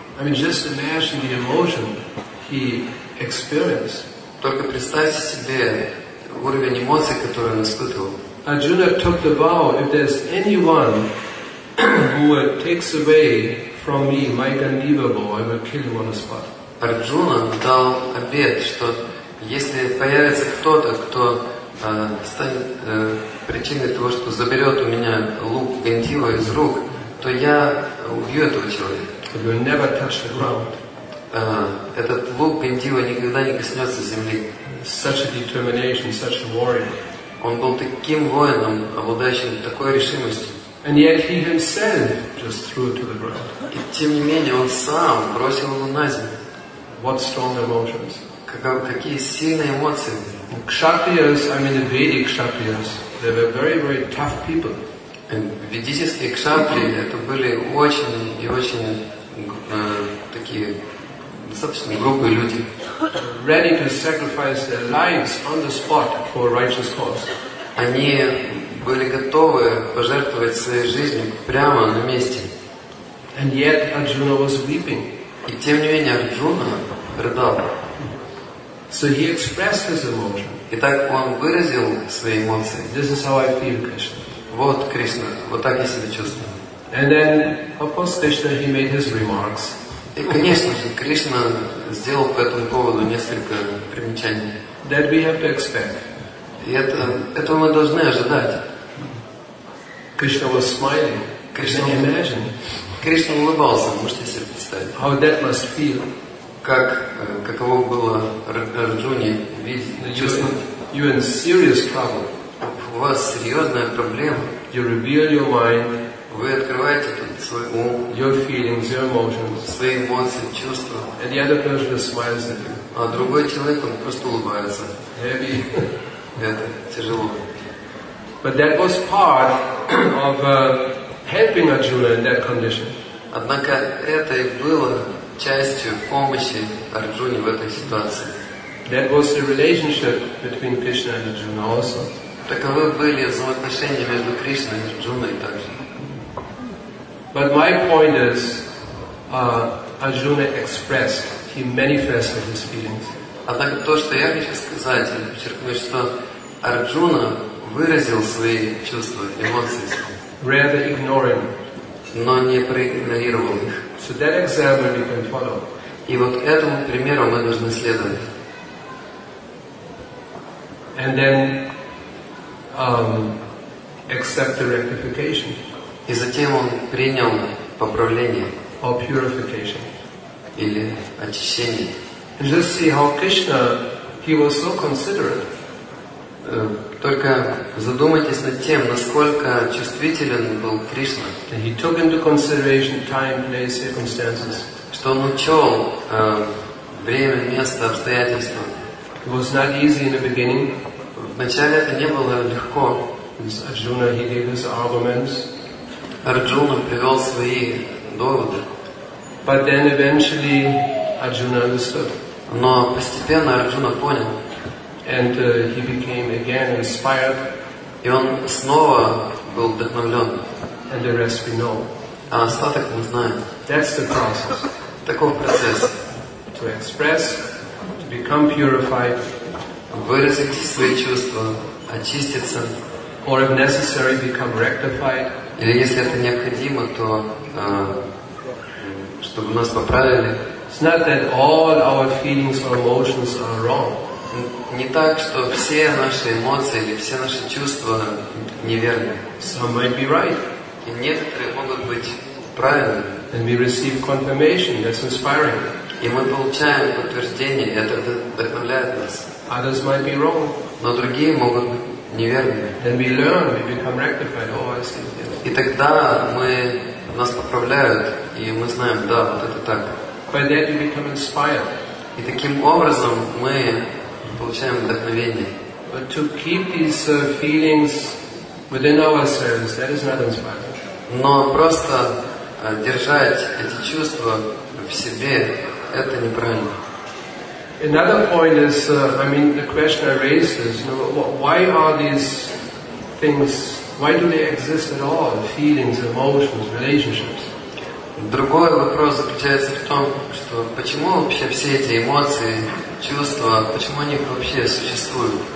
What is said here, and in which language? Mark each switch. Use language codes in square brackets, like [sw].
[en] I mean, just imagine the emotion he experienced. [ru] Только представьте себе уровень эмоций, который он испытывал. [en] Arjuna took the vow, if there's anyone who takes away from me my Gandiva bow, I will kill him on the spot. [ru] Арджуна дал обет, что если появится кто-то, кто станет причиной того, что заберет у меня лук Гандива из рук, то я убью этого человека. [en] You never touch the ground. [ru] Этот лук Гандива никогда не коснется земли. [en] Such a determination, such a warrior. [ru] Он был таким воином, обладающим такой решимостью. [en] And yet he himself just threw it to the ground. [ru] И тем не менее он сам бросил его на землю. [en] What strong emotions? [ru] Какие сильные эмоции были. [en] Kshatriyas, I mean the Vedic Kshatriyas, they were very, very tough people. [ru] Ведические кшатрии это были очень и очень такие достаточно грубые люди. [en] Ready to sacrifice their lives on the spot for righteous cause. [ru] Они были готовы пожертвовать своей жизнью прямо на месте. [en] And yet Arjuna was weeping. [ru] И тем не менее Арджуна рыдал. [en] So he expressed his emotion. [ru] Итак, он выразил свои эмоции. [en] This is how I feel, Krishna. [ru] Вот Кришна, вот так я себя чувствую. [en] And then, of course, Krishna he made his remarks. [ru] И конечно же Кришна сделал по этому поводу несколько примечаний. [en] That we have to expect. [ru] И этого мы должны ожидать. [en] Krishna was smiling. Can you imagine? [ru] Кришна улыбался, можете себе представить. [en] How that must feel. [ru] Как каково было Арджуне чувствовать? [en] You're in serious trouble. [ru] У вас серьезная проблема. [en] You reveal your mind. [ru] Вы открываете тут свой ум. [en] Your feelings, your emotions. [ru] Свои эмоции, чувства. [en] And the other person just smiles at you. [ru] А другой человек он просто улыбается. [en] Heavy. [ru] Это тяжело. [en] But that was part of helping Arjuna in that condition. [ru] Однако это и было частью помощи Арджуне в этой ситуации. [en] That was the relationship between Krishna and Arjuna also. [ru] Таковы были взаимоотношения между Кришной и Арджуной также. [en] But my point is, Arjuna expressed, he manifested his feelings. [ru] Однако то, что я хочу сказать или подчеркнуть, что Арджуна выразил свои чувства, эмоции. [en] Rather ignoring. [ru] Но не проигнорировал их. [en] So that example we can follow. [ru] И вот этому примеру мы должны следовать. [en] And then accept the rectification. [ru] И затем он принял поправление. [en] Or purification. [ru] Или очищение. [en] And just see how Krishna, he was so considerate. [ru] Только задумайтесь над тем, насколько чувствителен был Кришна. [en] That he took into consideration time, place, circumstances. [ru] Что он учел время, место, обстоятельства. [en] It was not easy in the beginning. [ru] Вначале это не было легко. [en] Arjuna, he gave his arguments. [ru] Арджуна привел свои доводы. [en] But then eventually Arjuna understood. [ru] Но постепенно Арджуна понял. [en] And he became again inspired. [ru] И он снова был вдохновлен. [en] And the rest we know. [ru] А остаток мы знаем. [en] That's the process. [ru] Таков процесс. [en] To express, to become purified. [ru] Выразить свои чувства, очиститься. [en] Or if necessary, become rectified. [ru] Или если это необходимо, то чтобы нас поправили. [en] It's not that all our feelings or emotions are wrong. [ru] Не так, что все наши эмоции или все наши чувства неверны. [en] Some might be right. [ru] И некоторые могут быть правильными. [en] And we receive confirmation. That's inspiring. [ru] И мы получаем подтверждение, это вдохновляет нас. [en] Others might be wrong. [ru] Но другие могут быть неверными. [en] Then we learn, we become rectified. Oh, I see. [ru] И тогда мы, нас поправляют, и мы знаем, да, вот это так. [en] By that you become inspired. [ru] И таким образом мы получаем вдохновение. [en] But to keep these feelings within ourselves, that is not inspiring. [ru] Но просто держать эти чувства в себе, это неправильно. [en] Another point is, I mean, the question I raised is, you know, why are these things, why do they exist at all? Feelings, emotions, relationships. [ru] Другой вопрос заключается в том, что почему вообще все эти эмоции, чувства, почему они вообще существуют?